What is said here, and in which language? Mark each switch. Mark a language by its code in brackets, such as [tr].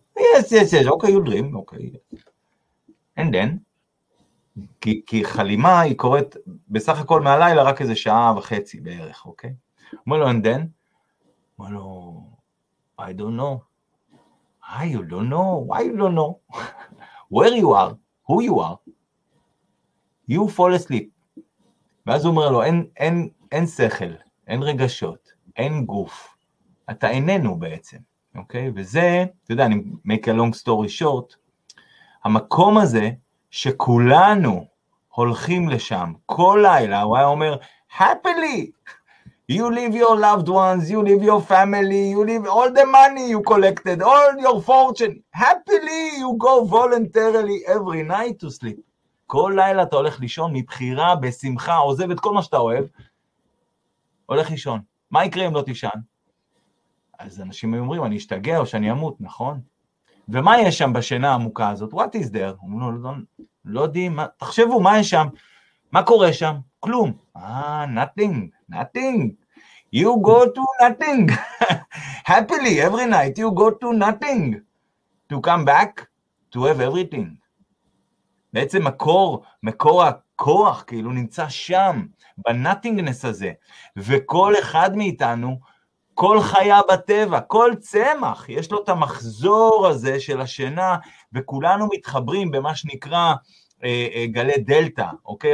[en] Yes, yes, yes, okay, you dream, okay. And then, [he] כי חלימה היא קורית בסך הכל מהלילה רק איזה שעה וחצי בערך, אוקיי? אומר לו, [en] and then? [he] אומר לו, [en] I don't know. Why you don't know? Why you don't know? Where you are? Who you are? You fall asleep. [he] ואז הוא אומר לו, אין שכל, אין רגשות, אין גוף. אתה איננו בעצם, אוקיי? וזה, אתה יודע, אני [en] make a long story short, [he] המקום הזה שכולנו הולכים לשם כל לילה, הוא היה אומר, [en] happily, you leave your loved ones, you leave your family, you leave all the money you collected, all your fortune, happily you go voluntarily every night to sleep. [he] כל לילה אתה הולך לישון מבחירה, בשמחה, עוזב את כל מה שאתה אוהב, הולך לישון. מה יקרה אם לא תישן? אז אנשים אומרים, אני אשתגע או שאני אמות, נכון? ומה יש שם בשינה העמוקה הזאת? [en] What is there? [he] אומרים לו, לא יודעים, תחשבו, מה יש שם? מה קורה שם? כלום. [en] Nothing, nothing. You go to nothing. Happily, every night, you go to nothing. To come back, to have everything. [he] בעצם מקור הכוח, כאילו, נמצא שם, בנאטינגנס הזה. וכל אחד מאיתנו, כל חיה בטבע, כל צמח, יש לו את המחזור הזה של השינה, וכולנו מתחברים במה שנקרא גלי דלטה, אוקיי?